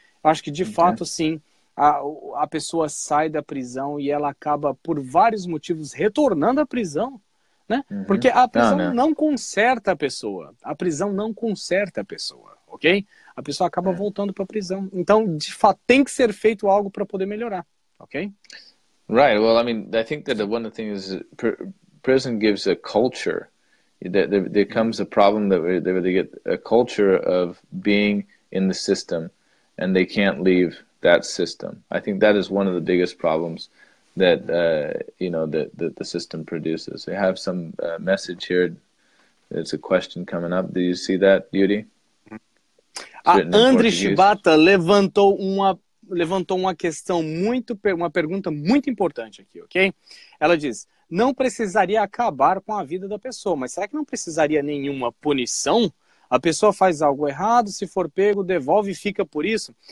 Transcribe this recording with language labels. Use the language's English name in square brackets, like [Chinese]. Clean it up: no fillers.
[Portuguese] Eu acho que, de fato, sim, a pessoa sai da prisão e ela acaba, por vários motivos, retornando à prisão. Né? Uhum. Porque a prisão não conserta a pessoa. A prisão não conserta a pessoa, ok? A pessoa acaba voltando para a prisão. Então, de fato, tem que ser feito algo para poder melhorar, ok? [English] Right. Well, I mean, I think that one of the things is prison gives a culture. There comes a problem that they get a culture of being in the system and they can't leave that system. I think that is one of the biggest problems that that the system produces. I have some message here. It's a question coming up. Do you see that, Yuri? [Portuguese] A Andre Shibata levantou uma questão muito, uma pergunta muito importante aqui, ok? Ela diz: não precisaria acabar com a vida da pessoa, mas será que não precisaria nenhuma punição? A pessoa faz algo errado, se for pego, devolve e fica por isso?